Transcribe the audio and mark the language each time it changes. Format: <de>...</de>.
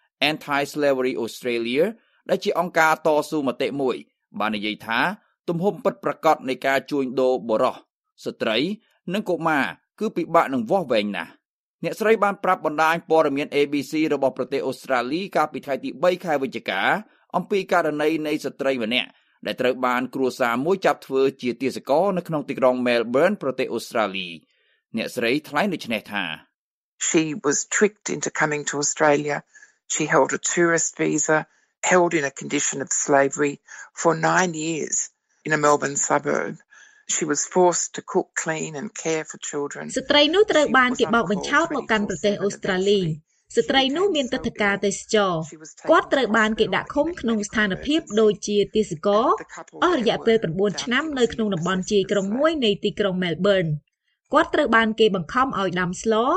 <km>Anti-Slavery Australia ដែលជាអង្គការតស៊ូមតិមួយបាននិយាយថាទំហំពិតប្រាកដនៃការជួញដូរបុរសស្ត្រីនិងកុមារគឺពិបាកនឹងវាស់វែងណាស់អ្នកស្រីបានប្រាប់បណ្ដាញព័ត៌មាន ABC របស់ប្រទេសអូស្ត្រាលីកាលពីថ្ងៃទី3ខែវិច្ឆិកាអំពីករណីនៃស្ត្រីម្នាក់ដែលត្រូវបានគ្រួសារមួយចាប់ធ្វើជាទាសករនៅក្នុងទីក្រុង Melbourne ប្រទេសអូស្ត្រាលីអ្នកស្រីថ្លែងដូចនេះថា</km> <en>She was tricked into coming to Australia. She held a tourist visa held in a condition of slavery for 9 years in a Melbourne suburb. She was forced to cook, clean and care for children.</en> <km>ស្ត្រីនោះត្រូវបានគេបោកបញ្ឆោតមកកាន់ប្រទេសអូស្ត្រាលីស្ត្រីនោះមានទិដ្ឋការទេសចរគាត់ត្រូវបានគេដាក់ឃុំក្នុងស្ថានភាពដូចជាទាសករអស់រយៈពេល9ឆ្នាំនៅក្នុងតំបន់ជាយក្រុងមួយនៃទីក្រុង Melbourne គាត់ត្រូវបានគេបង្ខំឲ្យដាំស្ល</km>